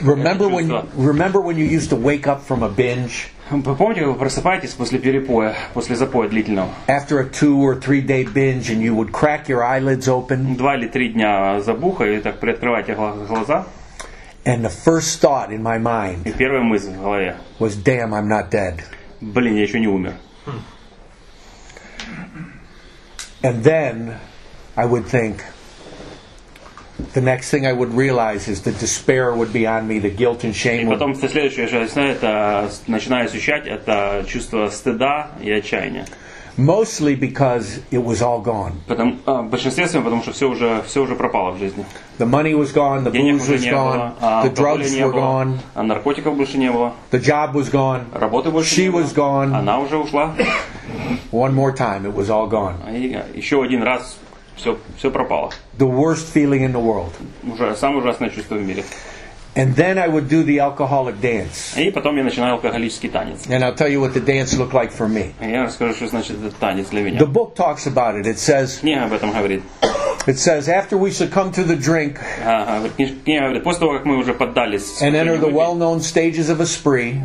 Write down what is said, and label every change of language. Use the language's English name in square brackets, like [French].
[English] Remember when you used to wake up from a binge? [Russian] Помните, вы просыпаетесь после перепоя, после запоя длительного? [English] After a 2 or 3 day binge, and you would crack your eyelids open. [Russian] 2 или 3 дня забуха и так приоткрывайте глаза. [English] And the first thought in my mind. [Russian] И первая мысль в голове. [English] Was damn, I'm not dead. [Russian] Блин, я еще не умер. [English] And then I would think. The next thing I would realize is the despair would be on me, the guilt and shame. [Russian] И потом со следующего я начинаю это ощущать это чувство стыда и отчаяния. [English] Mostly because it was all gone. [Russian] Потому что все уже пропало в жизни. [English] The money was gone, the booze was gone, the drugs were gone, [Russian] а наркотиков больше не было. [English] The job was gone, [Russian] работы больше не было. [English] She was gone, [Russian] она уже ушла. [English] One more time, it was all gone. [Russian] Еще один раз. Все пропало. [English] The worst feeling in the world. [Russian] Уже самое ужасное чувство в мире. [English] And then I would do the alcoholic dance. [Russian] И потом я начинаю алкоголический танец. [English] And I'll tell you what the dance looked like for me. [Russian] И я расскажу, что значит этот танец для меня. [English] The book talks about it. It says. [Russian] Книга об этом говорит. [English] It says after we succumb to the drink. [Russian] Книга говорит, после того как мы уже поддались. [English] And enter the well-known stages of a spree.